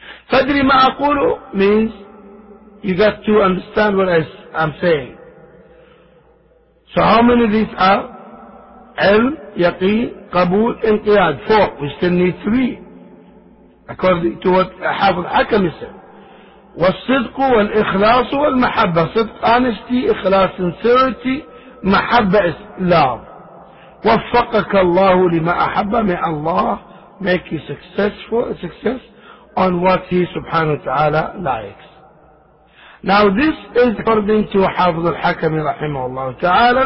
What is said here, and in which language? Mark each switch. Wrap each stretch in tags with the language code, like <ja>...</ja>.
<ar>فدري ما أقول</ar> <en>means you got to understand what I'm saying. So how many of these are? علم, يقين, قبول, انقياد. Four. We still need three. According to what Hafiz al-Hakami said.</en> <ar>والصدق والإخلاص والمحبة.</ar> <en>صدق, honesty, إخلاص, sincerity, محبة, love.</en> <ar>وفقك الله لما أحب.</ar> <en>May Allah make you success on what He subhanahu wa ta'ala likes. Now this is according to Hafiz al-Hakami</en> <ar>رحمه الله تعالى.</ar>